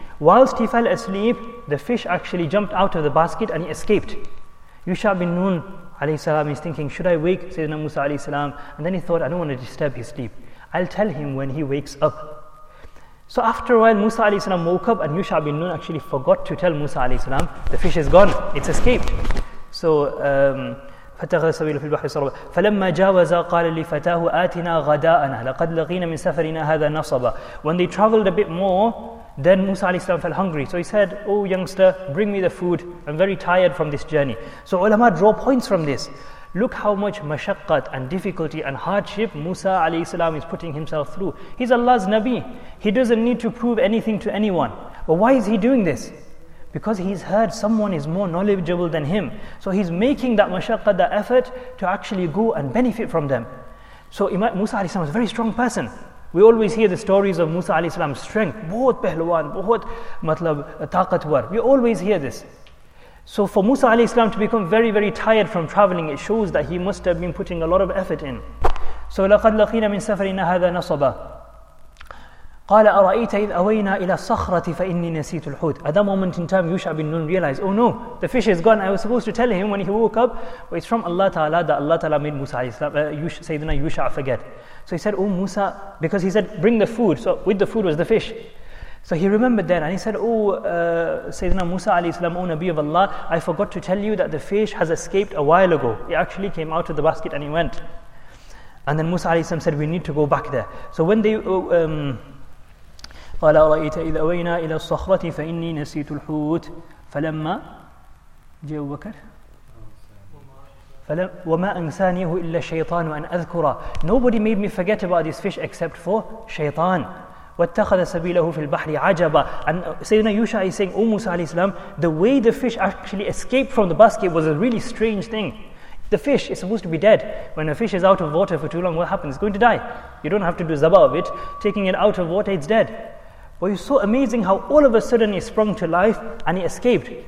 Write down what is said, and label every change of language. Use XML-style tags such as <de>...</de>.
<en>Whilst he fell asleep, the fish actually jumped out of the basket and he escaped. Yusha bin Nun alayhi salam is thinking, should I wake Sayyidina Musa alayhi salam? And then he thought, I don't want to disturb his sleep, I'll tell him when he wakes up. So after a while Musa alayhi salam woke up, and Yusha bin Nun actually forgot to tell Musa alayhi salam, the fish is gone, it's escaped.</en> <ar>So فتخذ سبيله في البحر سربا فلما جاوزا قال لفتاه آتنا غداءنا لقد لقينا من سفرنا هذا نصبا.</ar> <en>When they traveled a bit more, then Musa alayhi salam felt hungry, so he said, oh youngster, bring me the food, I'm very tired from this journey. So ulama draw points from this. Look how much mashaqqat and difficulty and hardship Musa alayhi salam is putting himself through. He's Allah's Nabi, he doesn't need to prove anything to anyone, but why is he doing this? Because he's heard someone is more knowledgeable than him. So he's making that mashaqqah, that effort to actually go and benefit from them. So Musa alayhi salam is a very strong person. We always hear the stories of Musa alayhi salam's strength.</en> <ur>بہت پہلوان، بہت مطلب طاقتور۔</ur> <en>We always hear this. So for Musa alayhi salam to become very, very tired from traveling, it shows that he must have been putting a lot of effort in.</en> <ar>So لقد لقينا من سفرنا هذا نصبا. قال أرأيت إذ أوينا إلى الصخرة فإني نسيت الحوت.</ar> <en>At that moment in time, Yusha bin Nun realized, oh no, the fish is gone. I was supposed to tell him when he woke up, but it's from Allah Ta'ala that Allah Ta'ala made Musa, Sayyidina Yusha forget. So he said, oh Musa, because he said, bring the food. So with the food was the fish. So he remembered that, and he said, oh, Sayyidina Musa alayhi salam, O Nabi of Allah, I forgot to tell you that the fish has escaped a while ago. It actually came out of the basket and he went. And then Musa alayhi salam said, we need to go back there. So when they...</en> <ar>قَالَ أَرَأَيْتَ إِذْ أَوَيْنَا إِلَى الصَّخْرَةِ فَإِنِّي نَسِيتُ الْحُوتِ فَلَمَّا جَيْهُ بَكَرْ وَمَا أَنْسَانِيهُ إِلَّا الشَّيْطَانُ وَأَنْ أَذْكُرَ.</ar> <en>Nobody made me forget about this fish except for Shaytan.</en> <ar>واتخذ سبيله في البحر عجبا.</ar> <en>And Sayyidina Yusha is saying, oh Musa alayhi salam, the way the fish actually escaped from the basket was a really strange thing. The fish is supposed to be dead. When a fish is out of water for too long, what happens? It's going to die. You don't have to do zaba of it. Taking it out of water, it's dead. But it's so amazing how all of a sudden it sprung to life and it escaped.</en>